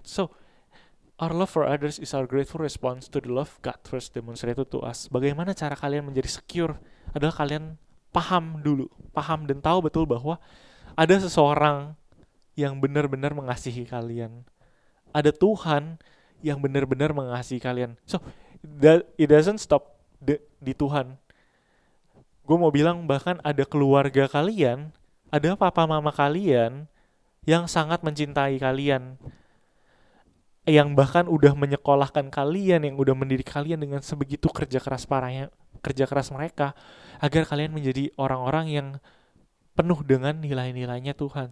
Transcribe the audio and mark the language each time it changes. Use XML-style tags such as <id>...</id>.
<en>So, our love for others is our grateful response to the love God first demonstrated to us.</en> <id>Bagaimana cara kalian menjadi secure adalah kalian paham dulu, paham dan tahu betul bahwa ada seseorang yang benar-benar mengasihi kalian. Ada Tuhan yang benar-benar mengasihi kalian.</id> <en>So, it doesn't stop</en> <id>di Tuhan. Gue mau bilang bahkan ada keluarga kalian, ada papa mama kalian yang sangat mencintai kalian, yang bahkan udah menyekolahkan kalian, yang udah mendidik kalian dengan sebegitu kerja keras mereka, agar kalian menjadi orang-orang yang penuh dengan nilai-nilainya Tuhan.</id>